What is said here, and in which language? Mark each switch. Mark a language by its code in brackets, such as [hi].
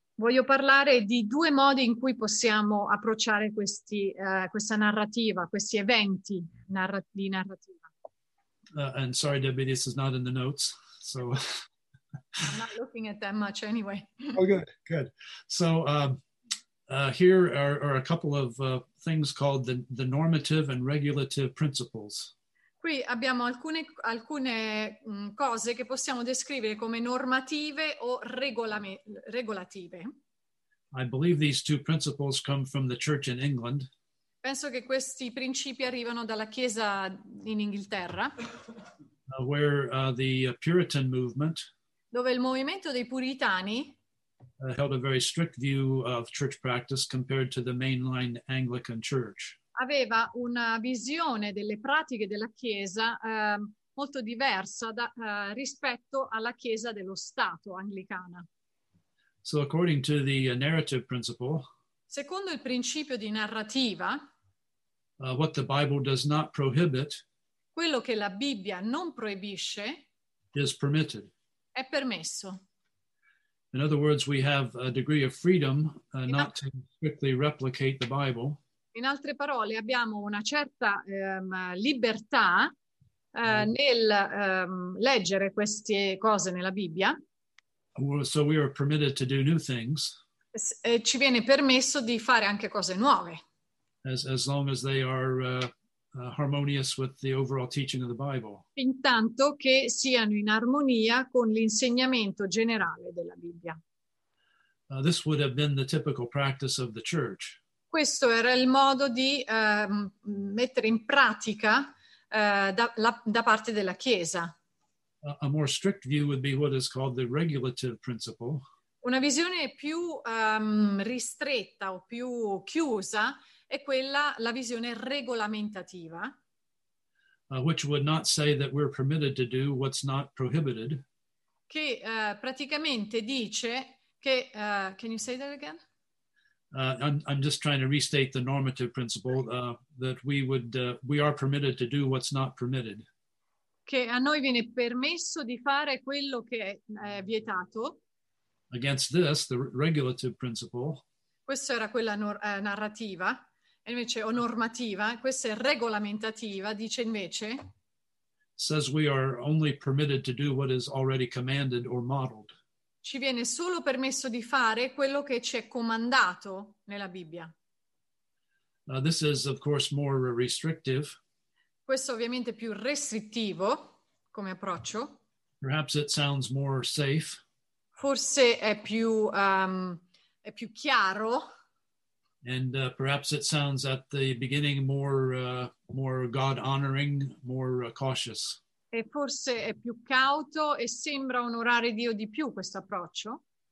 [it] Voglio parlare di due modi in cui possiamo approcciare questa narrativa, questi eventi di narrativa. [en] And sorry, Debbie, this is not in the notes, so. I'm not looking at that much anyway. Oh, good. So here are a couple of things called the normative and regulative principles. [it] Qui abbiamo alcune cose che possiamo descrivere come normative o regolative. [en] I believe these two principles come from the church in England. [it] Penso che questi principi arrivano dalla Chiesa in Inghilterra. [en] Where the Puritan movement, [it] dove il movimento dei puritani [en] held a very strict view of church practice compared to the mainline Anglican church. [it] Aveva una visione delle pratiche della Chiesa molto diversa rispetto alla Chiesa dello Stato anglicana. [en] So according to the narrative principle, [it] secondo il principio di narrativa, [en] what the Bible does not prohibit, [it] quello che la Bibbia non proibisce, [en] is permitted. [it] È permesso. [en] In other words, we have a degree of freedom not to strictly replicate the Bible. [it] In altre parole, abbiamo una certa libertà nel leggere queste cose nella Bibbia. [en] So we are permitted to do new things. [it] Ci viene permesso di fare anche cose nuove. [en] As long as they are harmonious with the overall teaching of the Bible. [it] Intanto che siano in armonia con l'insegnamento generale della Bibbia. [en] This would have been the typical practice of the church. [it] Questo era il modo di mettere in pratica da parte della Chiesa. [en] A more strict view would be what is called the regulative principle. [it] Una visione più ristretta o più chiusa è quella, la visione regolamentativa. [en] Which would not say that we're permitted to do what's not prohibited. [it] Che praticamente dice che, [en] can you say that again? I'm just trying to restate the normative principle that we are permitted to do what's not permitted. [it] Che a noi viene permesso di fare quello che è vietato. [en] Against this, the regulative principle. [it] Questa era quella narrativa. Invece, o normativa, questa è regolamentativa, dice invece. [en] Says we are only permitted to do what is already commanded or modeled. [it] Ci viene solo permesso di fare quello che ci è comandato nella Bibbia. [en] This is, of course, more restrictive. [it] Questo ovviamente è più restrittivo come approccio. [en] Perhaps it sounds more safe. [it] Forse è più chiaro. [en] And perhaps it sounds at the beginning more God-honoring, more cautious. [it] E forse è più cauto e sembra onorare Dio di più questo approccio.